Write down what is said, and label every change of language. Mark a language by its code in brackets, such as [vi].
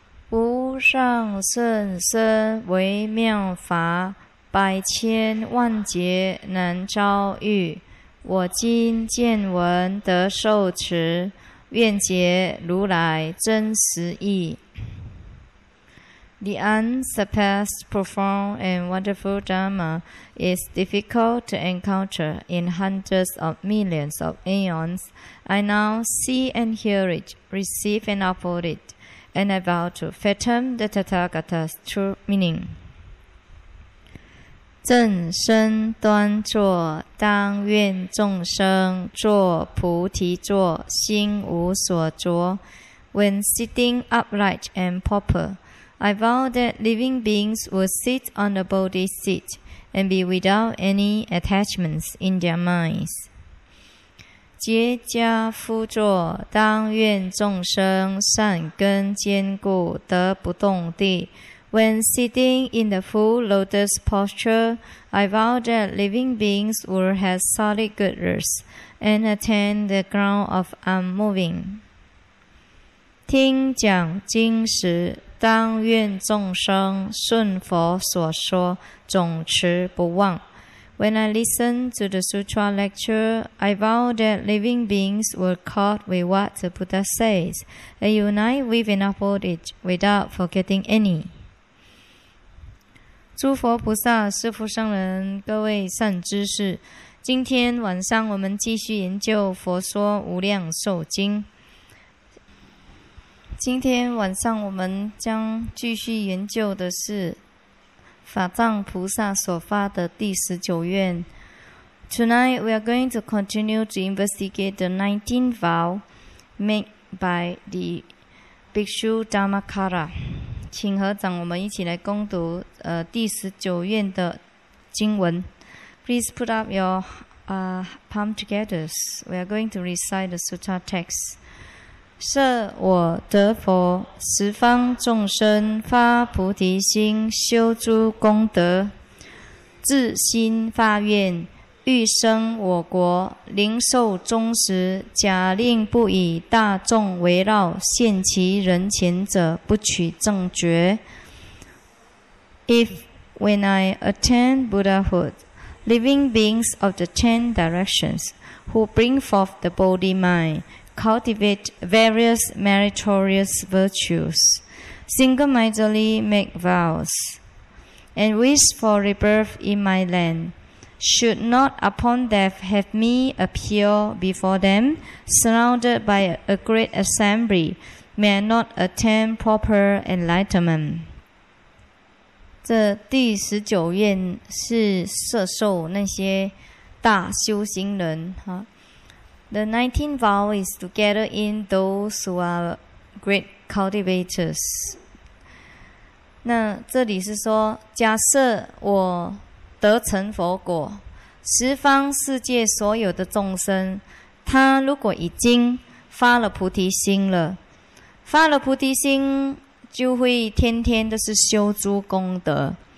[zh] 无上甚深微妙法，百千万劫难遭遇。我今见闻得受持，愿解如来真实义。 [en] The unsurpassed, profound, and wonderful Dharma is difficult to encounter in hundreds of millions of aeons. I now see and hear it, receive and uphold it, and I vow to fathom the Tathagata's true meaning. [zh] 正身端坐，当愿众生坐菩提座，心无所着。 [en] When sitting upright and proper,I vow that living beings will sit on the Bodhi seat and be without any attachments in their minds. [zh] 结跏趺坐，当愿众生善根坚固，得不动地。 [en] When sitting in the full lotus posture, I vow that living beings will have solid good roots and attain the ground of unmoving. [zh] 听讲经时，当愿众生顺佛所说，总持不忘。 [en] When I listen to the sutra lecture, I vow that living beings will accord with what the Buddha says and unite with and uphold it without forgetting any. [zh] 诸佛菩萨、师父圣人、各位善知识，今天晚上我们继续研究《佛说无量寿经》。今天晚上我们将继续研究的是法藏菩萨所发的第十九愿。 [en] Tonight we are going to continue to investigate the 19th vow made by the Bhikshu Dhammakara. [zh] 请合掌，我们一起来攻读第十九愿的经文。 [en] Please put up your palm together. We are going to recite the sutta text. [zh] 设我得佛，十方众生发菩提心，修诸功德，自心发愿，欲生我国，临寿终时，假令不以大众围绕，现其人前者，不取正觉。 [en] If when I attain Buddhahood, living beings of the ten directions who bring forth the body mind. Cultivate various meritorious virtues, single-mindedly make vows, and wish for rebirth in my land. Should not upon death have me appear before them, surrounded by a great assembly, may I not attain proper enlightenment. [zh] 这第十九愿是摄受那些大修行人哈。 [en] The 19th vow is to gather in those who are great cultivators. [zh] 那这里是说，假设我得成佛果，十方世界所有的众生，他如果已经发了菩提心了，发了菩提心，就会天天都是修诸功德。